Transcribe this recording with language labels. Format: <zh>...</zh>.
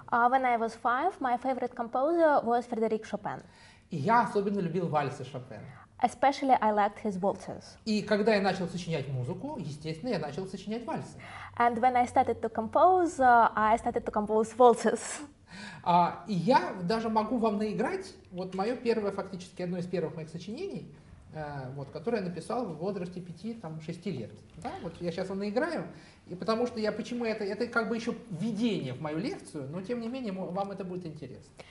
<en>When I was 5, my favorite composer was Frédéric Chopin.</en> <ru>И я особенно любил вальсы Шопена.</ru> <en>Especially I liked his waltzes.</en> <ru>И когда я начал сочинять музыку, естественно, я начал сочинять вальсы.</ru> <en>And when I started to compose, I started to compose waltzes.</en> <ru>И я даже могу вам наиграть вот мое первое, фактически одно из первых моих сочинений, вот, которое я написал в возрасте 5-6 лет. Да? Вот я сейчас вам наиграю. И потому что я почему это как бы еще введение в мою лекцию, но тем не менее вам это будет интересно.</ru>